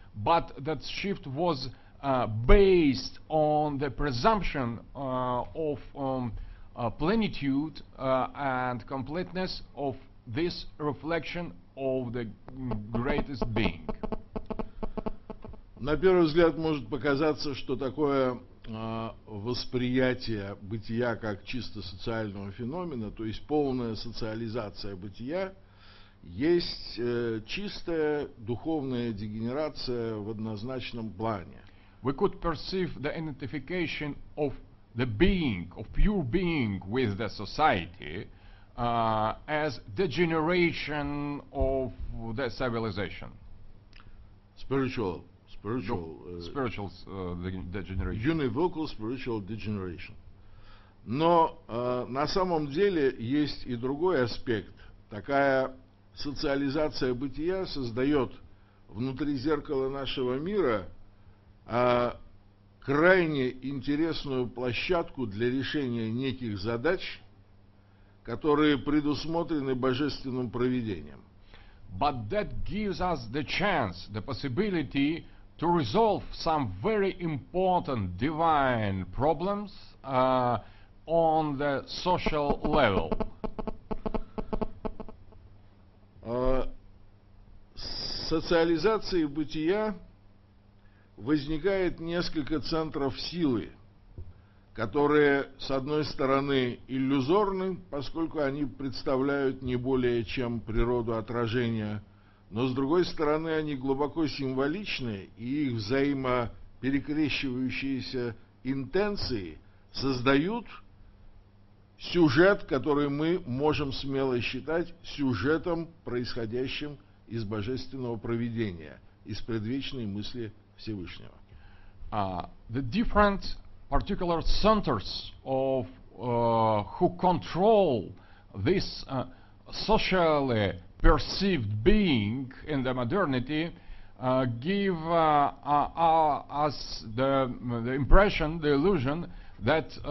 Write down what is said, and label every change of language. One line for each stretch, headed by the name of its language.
English: But that shift was based on the presumption of plenitude and completeness of this reflection of the greatest being.
Russian: На первый взгляд может показаться, что такое восприятие бытия как чисто социального феномена, то есть полная социализация бытия, есть чистая духовная дегенерация в однозначном плане.
English: We could perceive the identification of the being, of pure being with the society, as degeneration of the civilization. Spiritual degeneration. Univocal spiritual degeneration.
Russian: Но на самом деле есть и другой аспект. Такая социализация бытия создает внутри зеркала нашего мира крайне интересную площадку для решения неких задач, которые предусмотрены божественным провидением.
English: But that gives us the chance, the possibility to resolve some very important divine problems on the social level.
Russian: Социализации бытия возникает несколько центров силы, которые, с одной стороны, иллюзорны, поскольку они представляют не более чем природу отражения, но, с другой стороны, они глубоко символичны, и их взаимоперекрещивающиеся интенции создают сюжет, который мы можем смело считать сюжетом, происходящим из божественного провидения, из предвечной мысли Всевышнего.
English: The different particular centers of who control this socially perceived being in the modernity give us the impression, the illusion that